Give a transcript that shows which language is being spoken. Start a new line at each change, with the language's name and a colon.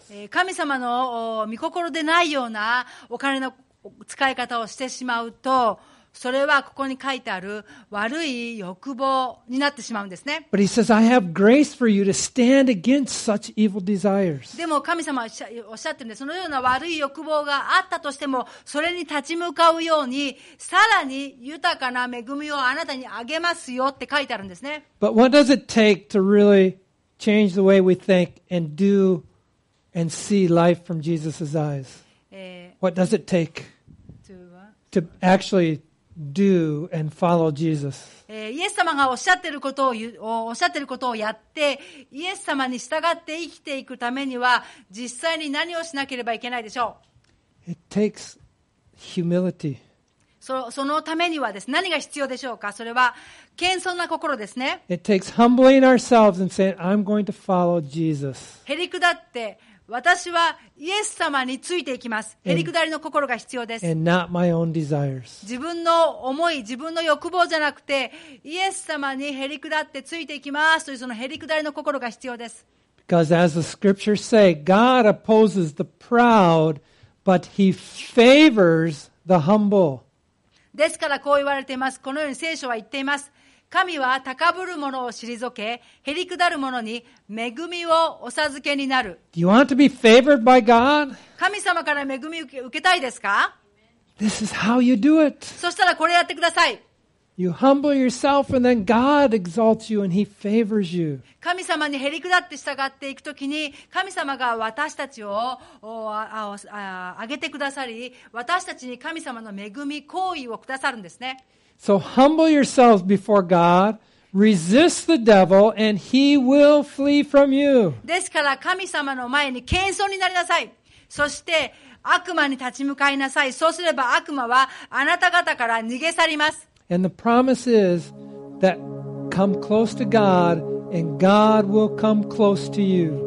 Japanese: 神様の御心でないようなお金の使い方をしてしまうとそれはここに書いてある悪い欲望になってしまうんですね。
English: But he says, I have grace for you to stand against such evil desires.
Japanese: でも神様はおっしゃってるんで、そのような悪い欲望があったとしても、それに立ち向かうように、さらに豊かな恵みをあなたにあげますよって書いてあるんですね。
English: But what does it take to really change the way we think and do and see life from Jesus' eyes? What does it take? To actually do and follow Jesus.
Japanese: イエス様がおっしゃっていることを、おっしゃっていることをやって、イエス様に従って生きていくためには、実際に何をしなければいけないでしょう。
English: It takes humility.
Japanese: そのためにはですね、何が必要でしょうか。それは謙遜な心ですね。
English: It takes humbling ourselves and saying, I'm going to follow Jesus.
Japanese: へりくだって、私はイエス様についていきます。へりくだりの心が必要です。
English: And not my own desires.
Japanese: 自分の思い、自分の欲望じゃなくて、イエス様にへりくだってついていきますというそのへりくだりの心が必要です。
English: Because as the scriptures say, God opposes the proud, but he favors the humble.
Japanese: ですからこう言われています。このように聖書は言っています。神は高ぶる者を退け、へりくだる者に恵みをお授けになる。
English: Do you want to be favored by God?
Japanese: 神様から恵みを受けたいですか?
English: This is how you do it.
Japanese: そしたらこれやってください。
English: You humble yourself and then God exalts you and he favors you.
Japanese: 神様にへりくだって従っていくときに、神様が私たちをあげてくださり、私たちに神様の恵み、好意をくださるんですね。
English: So humble yourselves before God, resist the devil, and he will flee from you.
Japanese: ですから神様の前に謙遜になりなさい。そして悪魔に立ち向かいなさい。そうすれば悪魔はあなた方から逃げ去ります。
English: And the promise is that come close to God, and God will come close to you.